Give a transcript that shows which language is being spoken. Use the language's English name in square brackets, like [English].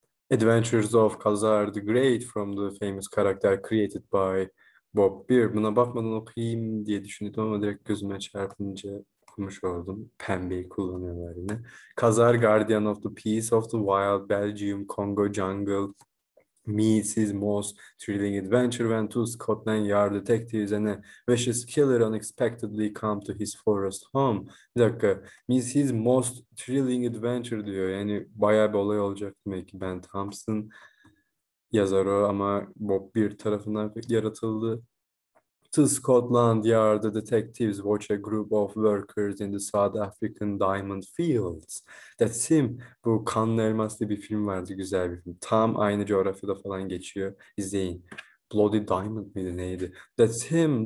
[English] Adventures of Khazar the Great from the famous character created by Bob Beer. [Turkish] Buna bakmadan okuyayım diye düşündüm ama direkt gözüme çarpınca okumuş oldum. Pembeyi kullanıyorlar yine. [English] Khazar Guardian of the Peace of the Wild Belgium Congo Jungle Meets His Most Thrilling Adventure When Two Scotland Yard Detectives and a Vicious Killer Unexpectedly Come to His Forest Home. [Turkish] Bir dakika. [English] Meets His Most Thrilling Adventure [Turkish] diyor. Yani bayağı bir olay olacak demek ki. Ben Thompson yazar o ama Bob Beer tarafından yaratıldı. [English] To Scotland Yard, the detectives watch a group of workers in the South African diamond fields. That's him. [Turkish] Bu Kanlı Elmas diye bir film vardı. Güzel bir film. Tam aynı coğrafyada falan geçiyor. İzleyin. Bloody Diamond mıydı neydi? [English] That's him.